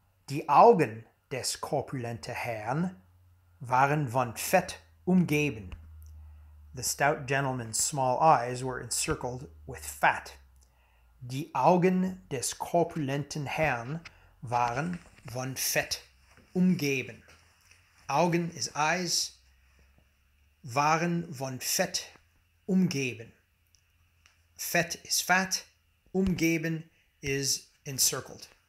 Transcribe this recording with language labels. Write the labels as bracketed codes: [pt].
[de] Die Augen des korpulenten Herrn waren von Fett umgeben. [en] The stout gentleman's small eyes were encircled with fat. [de] Die Augen des korpulenten Herrn waren von Fett umgeben. [en] Augen is eyes, [de] waren von Fett umgeben. [en] Fett is fat. Umgeben is encircled.